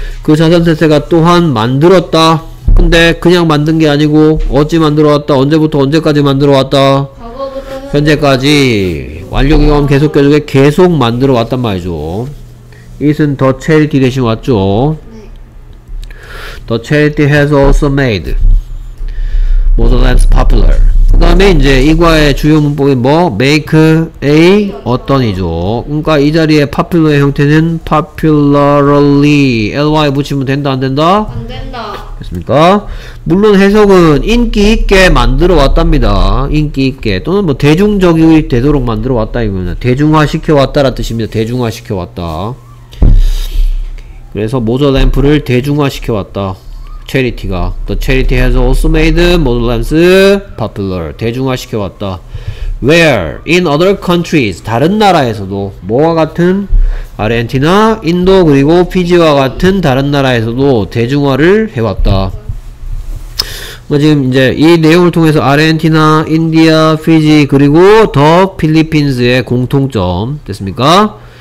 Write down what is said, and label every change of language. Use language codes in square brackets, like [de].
[ko] 그 자선단체가 또한 만들었다. 근데 그냥 만든 게 아니고 어찌 만들어왔다? 언제부터 언제까지 만들어왔다? 현재까지 완료기간 계속 만들어왔단 말이죠. it은 더 체리티 대신 왔죠. [en] The charity has also made modern lamps popular. [ko] 그 다음에 이제 이과의 주요 문법이 뭐? make a 어떤이죠. 그러니까 이 자리에 popular의 형태는 popularly. ly 붙이면 된다 안 된다? 안 된다. 됐습니까? 물론 해석은 인기 있게 만들어 왔답니다. 인기 있게 또는 뭐 대중적이 되도록 만들어 왔다 이거는 대중화 시켜 왔다라는 뜻입니다. 대중화 시켜 왔다. 그래서 모더 램프를 대중화시켜 왔다. [en] 체리티가 The charity has also made modern lamps popular. [ko] 대중화시켜 왔다. [en] Where? In other countries. [ko] 다른 나라에서도 뭐와 같은? 아르헨티나, 인도, 그리고 피지와 같은 다른 나라에서도 대중화를 해왔다. 뭐 지금 이제 이 내용을 통해서 아르헨티나, 인디아, 피지, 그리고 더 필리핀스의 공통점 됐습니까?